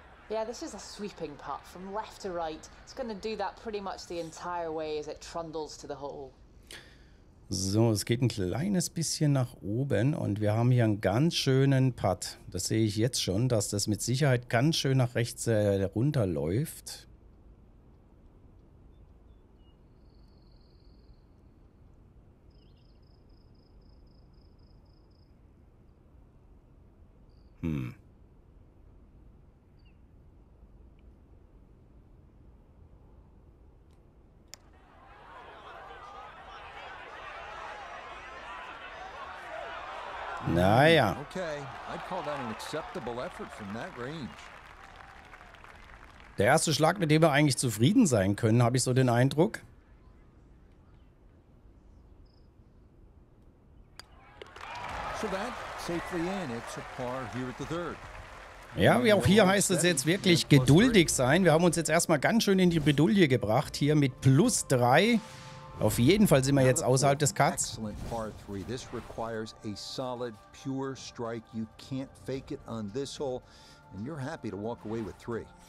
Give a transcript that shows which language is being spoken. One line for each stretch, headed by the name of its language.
English: Yeah, this is a sweeping putt from left to right. It's going to do that pretty much the entire way as it trundles to the hole.
German: So, es geht ein kleines bisschen nach oben und wir haben hier einen ganz schönen Putt. Das sehe ich jetzt schon, dass das mit Sicherheit ganz schön nach rechts runterläuft. Hm. Naja.
English: Okay, I'd call that an acceptable effort from that range.
German: Der erste Schlag, mit dem wir eigentlich zufrieden sein können, habe ich so den Eindruck.
English: So that safely in, it's a par here at the third.
German: Ja, wie auch hier heißt es jetzt wirklich geduldig sein. Wir haben uns jetzt erstmal ganz schön in die Bredouille gebracht hier mit plus 3. Auf jeden Fall sind wir jetzt außerhalb des Cuts.
English: Excellent par 3. This requires a solid, pure strike. You can't fake it on this hole. And you're happy to walk away with 3.